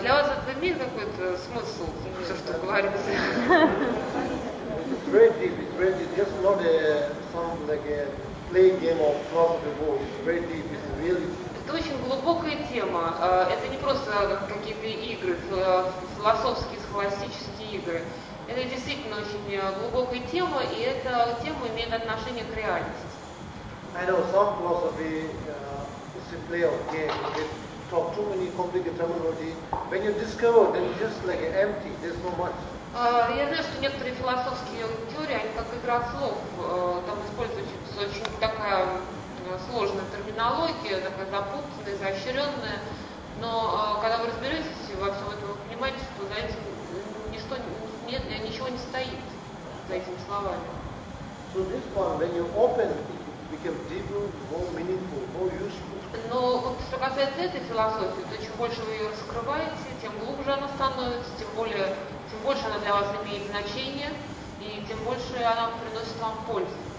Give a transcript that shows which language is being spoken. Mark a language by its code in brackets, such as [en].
[ru] Для вас это имеет какой-то смысл, все, что говорится? [en] It's very deep. It's just not a sound like a play game of philosophy war. It's very deep. It's really. [ru] Это очень глубокая тема. Это не просто какие-то игры, философские, схоластические игры. Это действительно очень глубокая тема, и эта тема имеет отношение к реальности. [en] I know some philosophy is a play of game. Of too many complicated terminology. When you discover, then it's just like empty. There's no much. [ru] Я знаю, что некоторые философские теории, они как игра слов, там используется очень такая сложная терминология, такая запутанная, изощренная. Но когда вы разберетесь во всем этом, вы понимаете, что за этим ничего не стоит за этими словами. [en] So this one, when you open it, it becomes deeper, more meaningful, more useful. [ru] Но вот что касается этой философии, то чем больше вы ее раскрываете, тем глубже она становится, тем больше она для вас имеет значение, и тем больше она приносит вам пользу.